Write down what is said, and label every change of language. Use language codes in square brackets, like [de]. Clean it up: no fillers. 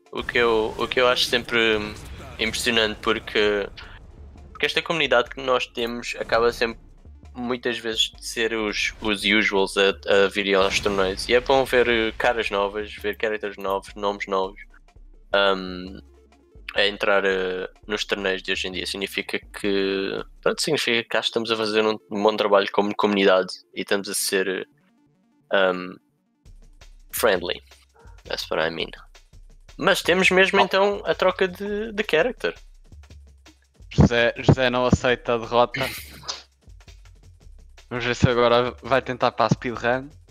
[pt] O que eu acho sempre impressionante porque esta comunidade que nós temos acaba sempre muitas vezes de ser os usuals a virem aos torneios. E é bom ver caras novas, ver characters novos, nomes novos a entrar nos torneios de hoje em dia. Significa que. Pronto, significa que cá estamos a fazer um bom trabalho como comunidade e estamos a ser. [en] Friendly, that's what I mean. [pt] Mas temos mesmo então a troca de character. José não aceita a derrota. Vamos ver se agora vai tentar para a speedrun.